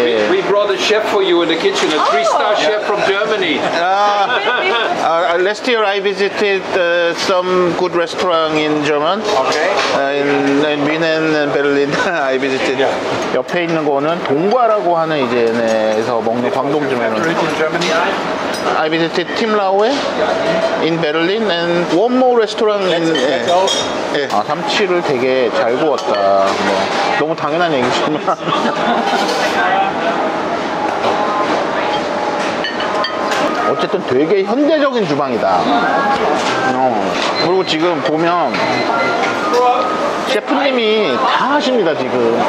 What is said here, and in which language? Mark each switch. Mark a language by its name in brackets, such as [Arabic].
[English] We brought a chef for you in the kitchen, a three-star chef from Germany. Last year I visited some good restaurant in German. Okay. In München and Berlin, I visited. Yeah. [Korean] 옆에 있는 거는 동과라고 하는 이제에서 먹는 광동주면. [English] I visited Tim Laue in Berlin and one more restaurant in. [Korean] 아 삼치를 되게 잘 구웠다. 뭐 너무 당연한 얘기지만. 어쨌든 되게 현대적인 주방이다. 그리고 지금 보면 셰프님이 다 하십니다 지금.